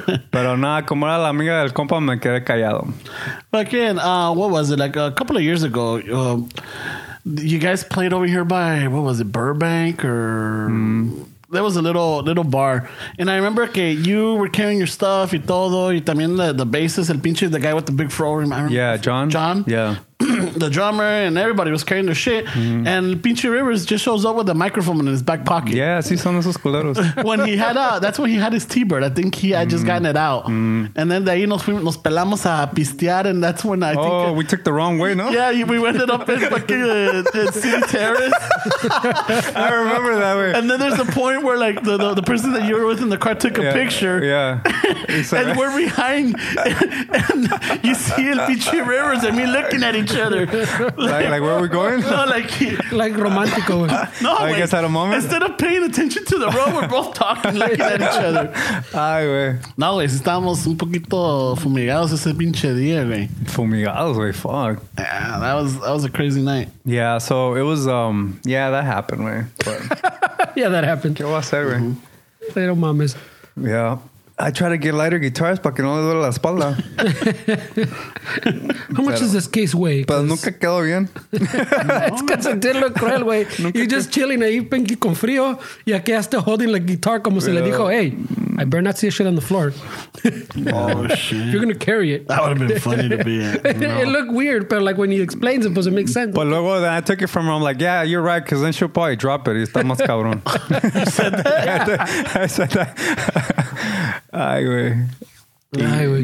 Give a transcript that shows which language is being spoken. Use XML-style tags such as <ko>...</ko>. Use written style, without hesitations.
<es>Pero nada, como era la amiga del compa, me quedé callado.</es> <en>But again, what was it? Like a couple of years ago, you guys played over here by, what was it, Burbank or... There was a little bar, and I remember that you were carrying your stuff and</en> <es>todo, y también</es> <en>the bassist,</en> <es>el pinche,</es> <en>the guy with the big fro. Remember? Yeah, John. John. Yeah. The drummer and everybody was carrying their shit, and Pinchy Rivers just shows up with a microphone in his back pocket.</en> <es>Yeah, sí, son esos culeros.</es> <en>When he had that's when he had his T-Bird. I think he had just gotten it out. Mm. And then</en> <es>de ahí nos pelamos a pistear,</es> <en>and that's when I think... Oh, we took the wrong way, no? Yeah, we ended up in fucking City Terrace. I remember that way. And then there's a point where like the person that you were with in the car took a picture. Yeah. And we're behind, and you see el Pinchy Rivers and me looking at each other. Like where are we going? No, like</en> <es>romantico.</es> <en>No, I guess at a moment. Instead of paying attention to the road, we're both talking, looking at each other.</en> <es>Ay, güey. No, güey, estábamos un poquito fumigados ese pinche día, güey. Fumigados, güey, fuck.</es> <en>Yeah, that was a crazy night. Yeah, so it was yeah, that happened, güey. Yeah, that happened.</en> <es>¿Qué va a ser, güey? Pero mames.</es> <en>Yeah. I try to get lighter guitars</en> <es>para que no le duele la espalda.</es> <en>How much does this case weigh?</en> <es>Pero nunca quedó bien.</es> <en>It's because it did look cruel, güey. You're just chilling</en> <es>ahí, pinky, con frío, y aquí hasta holding la guitar como se le dijo, hey.</es> <en>I better not see a shit on the floor. Oh, shit. You're going to carry it. That would have been funny to be in. No. It looked weird, but like when he explains it, it makes sense. But luego, then I took it from her. I'm like, yeah, you're right, because then she'll probably drop it.</en> <es>Está más cabrón.</es> <en>You said that? Yeah. I said that.</en> <es>Ay, güey.</es>